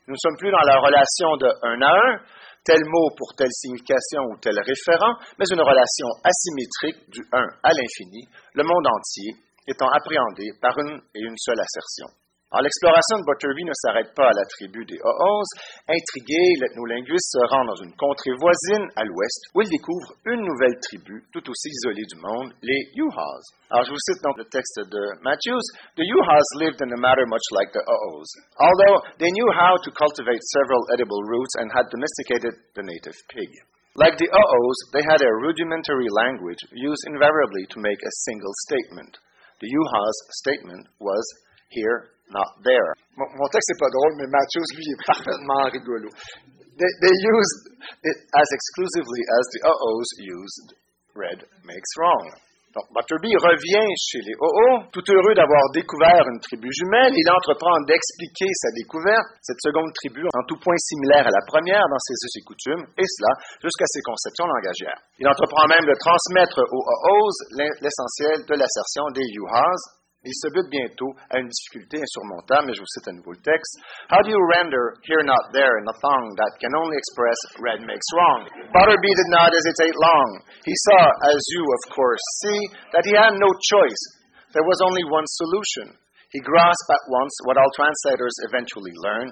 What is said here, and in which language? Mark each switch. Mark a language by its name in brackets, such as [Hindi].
[French] Nous ne sommes plus dans la relation de un à un, tel mot pour telle signification ou tel référent, mais une relation asymétrique du un à l'infini, le monde entier étant appréhendé par une et une seule assertion. Alors, l'exploration de Butterby ne s'arrête pas à la tribu des O'Hoz. Intrigué, l'ethnolinguiste se rend dans une contrée voisine à l'ouest, où il découvre une nouvelle tribu tout aussi isolée du monde, les U'Haz. Alors, je vous cite donc le texte de Matthews. [English] « The U'Haz lived in a manner much like the O'Hoz, although they knew how to cultivate several edible roots and had domesticated the native pig. Like the O'Hoz, they had a rudimentary language used invariably to make a single statement. The U'Haz statement was, here, not there. [French] » Mon texte n'est pas drôle, mais Matthews, lui, est parfaitement rigolo. [English] They used it as exclusively as the O'Hoz used red makes wrong. [French] Donc, Butterby revient chez les O'Hoz, tout heureux d'avoir découvert une tribu jumelle. Il entreprend d'expliquer sa découverte, cette seconde tribu en tout point similaire à la première dans ses us et coutumes, et cela jusqu'à ses conceptions langagières. Il entreprend même de transmettre aux O'Hoz l'essentiel de l'assertion des U'Haz. Il se bute bientôt à une difficulté insurmontable, mais je vous cite à nouveau le texte. [English] « How do you render here not there in a tongue that can only express red makes wrong? Butterby did not hesitate long. He saw, as you of course see, that he had no choice. There was only one solution. He grasped at once what all translators eventually learn.